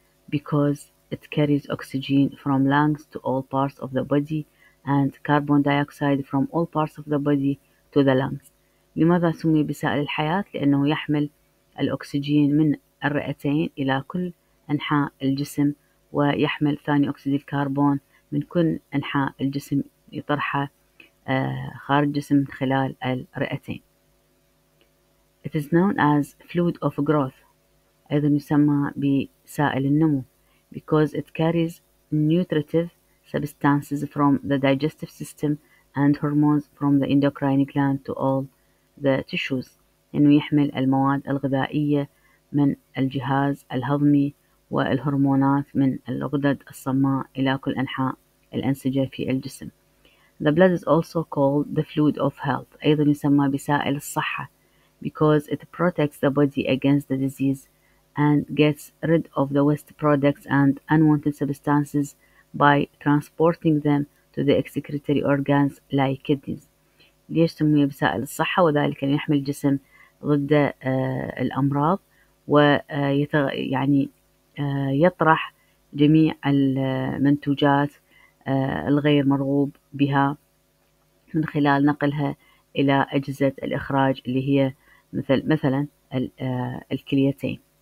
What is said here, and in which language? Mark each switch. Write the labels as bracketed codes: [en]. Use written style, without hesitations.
[en] Because it carries oxygen from lungs to all parts of the body and carbon dioxide from all parts of the body to the lungs. [ar] لماذا سمي بسائل الحياة؟ لأنه يحمل الأكسجين من الرئتين إلى كل أنحاء الجسم، ويحمل ثاني أكسيد الكربون من كل أنحاء الجسم يطرحه خارج الجسم من خلال الرئتين. [en] It is known as fluid of growth، [ar] أيضا يسمى بسائل النمو. [en] Because it carries nutritive substances from the digestive system and hormones from the endocrine gland to all the tissues، [ar] لأنه يحمل المواد الغذائية من الجهاز الهضمي والهرمونات من الغدد الصماء إلى كل أنحاء الأنسجة في الجسم. [en] The blood is also called the fluid of health، [ar] أيضا يسمى بسائل الصحة. [en] Because it protects the body against the disease and gets rid of the waste products and unwanted substances by transporting them to the excretory organs like kidneys. [ar] ليش سمي بسائل الصحة؟ وذلك أن يحمي الجسم ضد الأمراض، ويطرح جميع المنتوجات الغير مرغوب بها من خلال نقلها إلى أجهزة الإخراج اللي هي مثلا الكليتين.